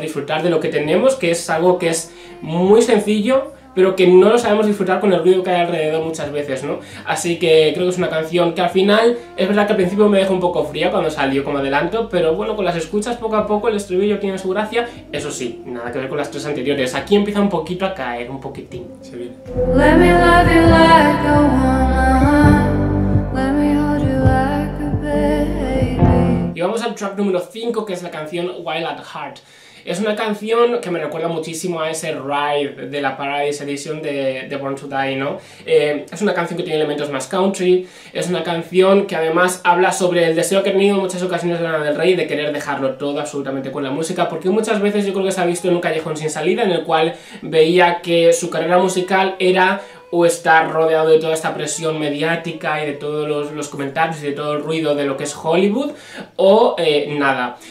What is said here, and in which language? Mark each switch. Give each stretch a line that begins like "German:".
Spanish: Disfrutar de lo que tenemos, que es algo que es muy sencillo, pero que no lo sabemos disfrutar con el ruido que hay alrededor muchas veces, ¿no? Así que creo que es una canción que al final, es verdad que al principio me dejó un poco fría cuando salió como adelanto, pero bueno, con las escuchas poco a poco el estribillo tiene su gracia. Eso sí, nada que ver con las tres anteriores. Aquí empieza un poquito a caer, un poquitín. Se viene.
English: Let me love you like a woman. Let me hold you like a baby.
Spanish: Y vamos al track número 5, que es la canción Wild at Heart. Es una canción que me recuerda muchísimo a ese Ride de la Paradise Edition de Born to Die, ¿no? Es una canción que tiene elementos más country, es una canción que además habla sobre el deseo que ha tenido en muchas ocasiones Lana Del Rey de querer dejarlo todo absolutamente con la música, porque muchas veces yo creo que se ha visto en un callejón sin salida en el cual veía que su carrera musical era o estar rodeado de toda esta presión mediática y de todos los comentarios y de todo el ruido de lo que es Hollywood, o nada.